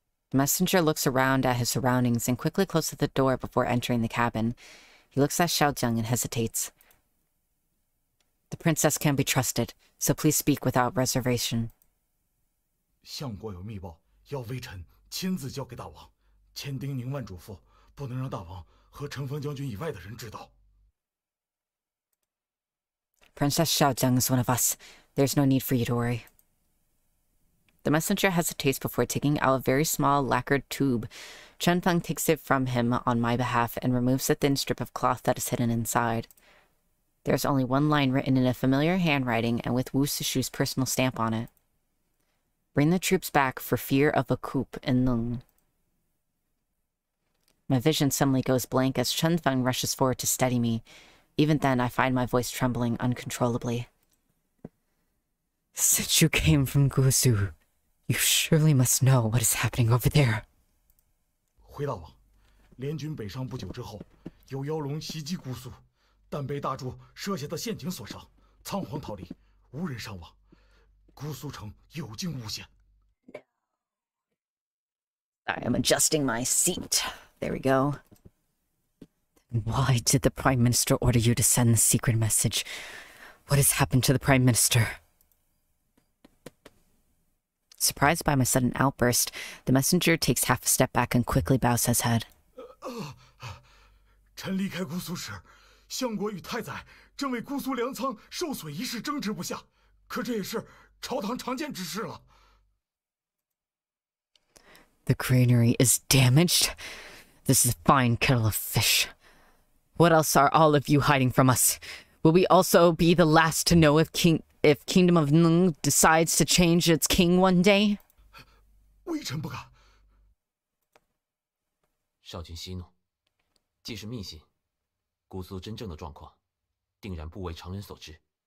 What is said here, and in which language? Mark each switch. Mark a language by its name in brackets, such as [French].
[English] The messenger looks around at his surroundings and quickly closes the door before entering the cabin. He looks at Xiao Jiang and hesitates. The princess can be trusted, so please speak without reservation. [Chinese] 相国有密报，要微臣亲自交给大王，千叮咛万嘱咐，不能让大王和陈锋将军以外的人知道。 [English] Princess Xiao Jiang is one of us. There's no need for you to worry. The messenger hesitates before taking out a very small lacquered tube. Chen Feng takes it from him on my behalf and removes the thin strip of cloth that is hidden inside. There's only one line written in a familiar handwriting and with Wu Sishu's personal stamp on it. Bring the troops back for fear of a coup in Nung. My vision suddenly goes blank as Chen Feng rushes forward to steady me. Even then, I find my voice trembling uncontrollably. Since you came from Guzu... You surely must know what is happening over there. [Chinese] 回大王，联军北上不久之后，有妖龙袭击姑苏，但被大柱设下的陷阱所伤，仓皇逃离，无人伤亡。姑苏城有惊无险。 [English] I am adjusting my seat. There we go. Why did the Prime Minister order you to send the secret message? What has happened to the Prime Minister? Surprised by my sudden outburst, the messenger takes half a step back and quickly bows his head. [Chinese] 臣离开姑苏时，相国与太宰正为姑苏粮仓受损一事争执不下，可这也是朝堂常见之事了。 [English] The granary is damaged. This is a fine kettle of fish. What else are all of you hiding from us? Will we also be the last to know if Kingdom of Nung decides to change its king one day? [Chinese] 微臣不敢。少君息怒，既是秘信，姑苏真正的状况，定然不为常人所知。